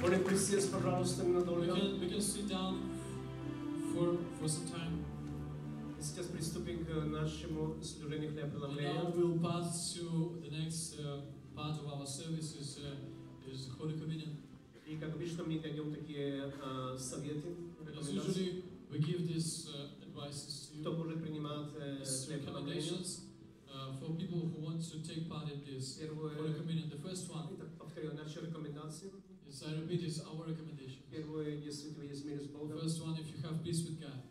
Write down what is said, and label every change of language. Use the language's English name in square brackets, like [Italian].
[Russian] Можем присесть, пожалуйста, ненадолго. [English] We can sit down for some time. [Russian] Сейчас приступим к нашему служению хлеба преломления. [English] And now we'll pass to the next part of our service is Holy Communion. [Russian] И как обычно мы даем такие советы. [English] As usually, we give this advice to you. Recommendations for people who want to take part in this Holy Communion. The first one. Yes, I repeat, it's our recommendation. First one, if you have peace with God.